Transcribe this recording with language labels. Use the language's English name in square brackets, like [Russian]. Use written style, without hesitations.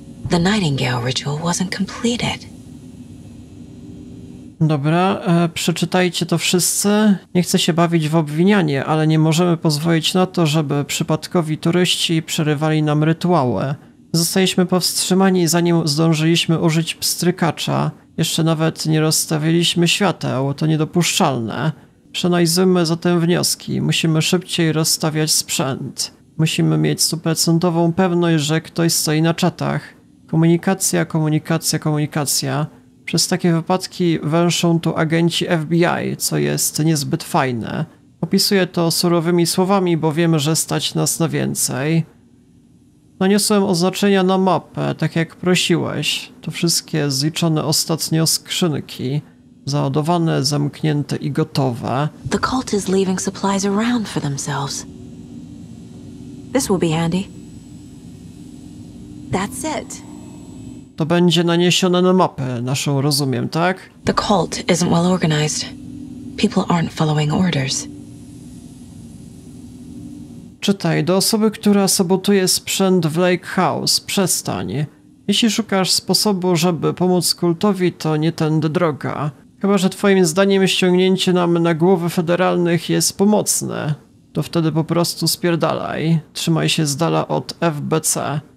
[English] The Nightingale ritual wasn't completed. [Polish] Dobra, przeczytajcie to wszyscy. Nie chcę się bawić w obwinianie, ale nie możemy pozwolić na to, żeby przypadkowi turyści przerywali nam rytuały. Zostaliśmy powstrzymani, zanim zdążyliśmy użyć pstrykacza. Jeszcze nawet nie rozstawiliśmy świateł, to niedopuszczalne. Przeanalizujmy zatem wnioski. Musimy szybciej rozstawiać sprzęt. Musimy mieć stuprocentową pewność, że ktoś stoi na czatach. Komunikacja, komunikacja, komunikacja. Przez takie wypadki węszą tu agenci FBI, co jest niezbyt fajne. Opisuję to surowymi słowami, bo wiemy, że stać nas na więcej. Naniosłem oznaczenia na mapę, tak jak prosiłeś. To wszystkie zliczone ostatnio skrzynki. Załadowane, zamknięte i gotowe. [English] The cult is leaving supplies around for themselves. This will be handy. That's it. [Polish] To będzie naniesione na mapę, naszą rozumiem, tak? [English] The cult isn't well organized. People aren't following orders. [Polish] Czytaj, do osoby, która sabotuje sprzęt w Lake House, przestań. Jeśli szukasz sposobu, żeby pomóc kultowi, to nie tędy droga. Chyba że twoim zdaniem ściągnięcie nam na głowy federalnych jest pomocne. To wtedy po prostu spierdalaj. Trzymaj się z dala od FBC.